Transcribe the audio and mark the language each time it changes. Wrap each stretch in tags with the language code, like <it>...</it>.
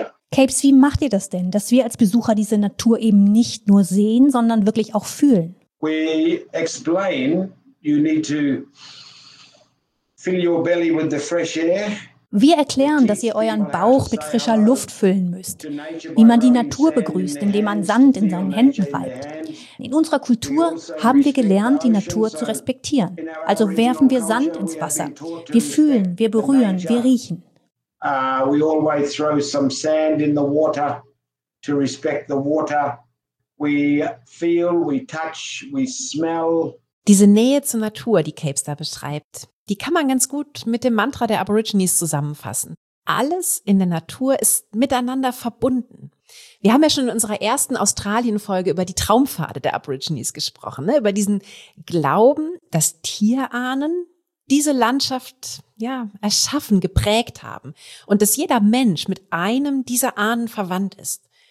<de>Capes, wie macht ihr das denn, dass wir als Besucher diese Natur eben nicht nur sehen, sondern wirklich auch fühlen?</de> <en>We explain, you need to fill your belly with the fresh air.</en> <de>Wir erklären, dass ihr euren Bauch mit frischer Luft füllen müsst, wie man die Natur begrüßt, indem man Sand in seinen Händen reibt. In unserer Kultur haben wir gelernt, die Natur zu respektieren. Also werfen wir Sand ins Wasser. Wir fühlen, wir berühren, wir riechen.</de> <en>We always throw some sand in the water to respect the water. We feel, we touch, we smell.</en> <de>Diese Nähe zur Natur, die Capes da beschreibt, die kann man ganz gut mit dem Mantra der Aborigines zusammenfassen. Alles in der Natur ist miteinander verbunden. Wir haben ja schon in unserer ersten Australien-Folge über die Traumpfade der Aborigines gesprochen, ne? Über diesen Glauben, dass Tierahnen diese Landschaft erschaffen, geprägt haben und dass jeder Mensch mit einem dieser Ahnen verwandt ist.</de>